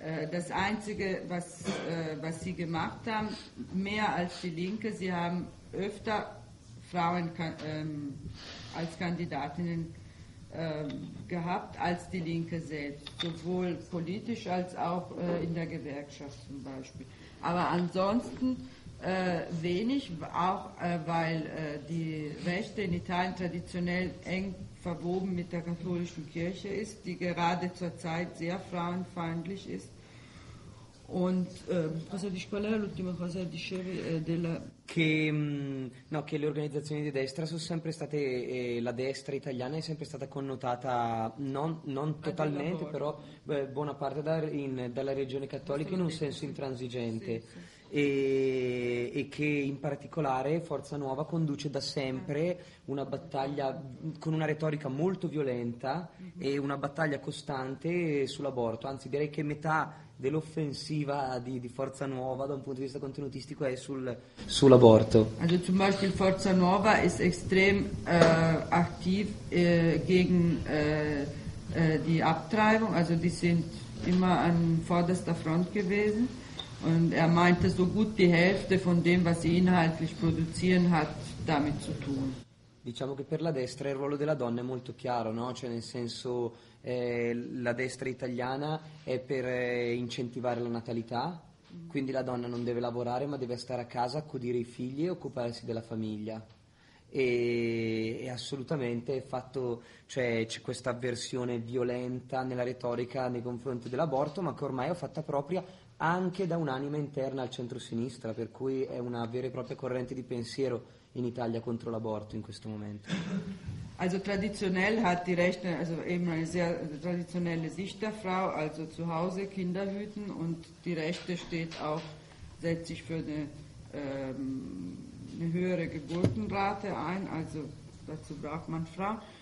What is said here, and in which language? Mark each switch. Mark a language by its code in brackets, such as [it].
[de] Das Einzige, was sie gemacht haben, mehr als die Linke, sie haben öfter Frauen als Kandidatinnen gehabt, als die Linke selbst, sowohl politisch als auch in der Gewerkschaft zum Beispiel. Aber ansonsten wenig, auch weil die Rechte in Italien traditionell eng verwoben mit der katholischen Kirche ist, die gerade zur Zeit sehr frauenfeindlich ist. [it] Und cosa dice, qual era l'ultima cosa dicevi della che le organizzazioni di destra sono sempre state la destra italiana è sempre stata connotata non totalmente, però buona parte dalla religione cattolica in un senso intransigente. Sì, sì. E che in particolare Forza Nuova conduce da sempre una battaglia con una retorica molto violenta e una battaglia costante sull'aborto, anzi direi che metà dell'offensiva di Forza Nuova da un punto di vista contenutistico è sull'aborto. [de] Also zum Beispiel Forza Nuova ist extrem aktiv gegen die Abtreibung, also die sind immer an vorderster Front gewesen. Und er meinte, so gut die Hälfte von dem, was sie inhaltlich produzieren, hat damit zu tun. [it] Diciamo che per la destra il ruolo della donna è molto chiaro, no? Cioè nel senso, la destra italiana è per incentivare la natalità, quindi la donna non deve lavorare ma deve stare a casa, accudire i figli e occuparsi della famiglia. E assolutamente è fatto, cioè c'è questa avversione violenta nella retorica nei confronti dell'aborto, ma che ormai è fatta propria anche da un'anima interna al centro-sinistra, per cui è una vera e propria corrente di pensiero in Italia contro l'aborto in questo momento. [de] Also traditionell hat die rechte, also eben eine sehr traditionelle Sicht der Frau, also zu Hause Kinder hüten, und die rechte steht auch, setzt sich für eine höhere Geburtenrate ein, also dazu braucht man Frau.